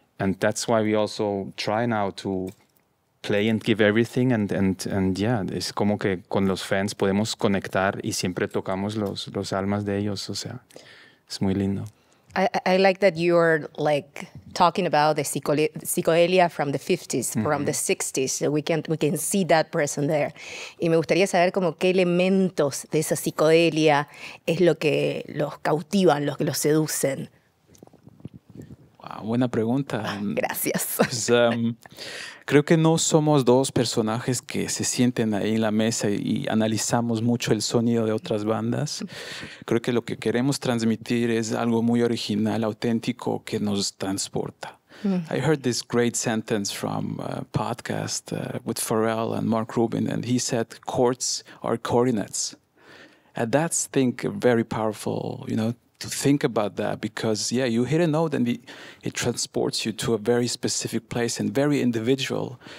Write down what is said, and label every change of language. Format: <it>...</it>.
<en>And that's why we also try now to play and give everything and yeah,</en> <es>es como que con los fans podemos conectar y siempre tocamos los almas de ellos, o sea, es muy lindo.</es> <en>I like that you're like talking about the psicodelia from the 50s, mm-hmm. from the 60s. So we can see that present there.</en> <es>Y me gustaría saber como qué elementos de esa psicodelia es lo que los cautivan, los que los seducen. Buena pregunta. Gracias. Pues, creo que no somos dos personajes que se sienten ahí en la mesa y analizamos mucho el sonido de otras bandas. Creo que lo que queremos transmitir es algo muy original, auténtico, que nos transporta.</es> <en>Mm. I heard this great sentence from a podcast with Pharrell and Mark Rubin, and he said, chords are coordinates. And that's, I think, very powerful, you know, to think about that, because yeah, you hit a note and it transports you to a very specific place and very individual.</en>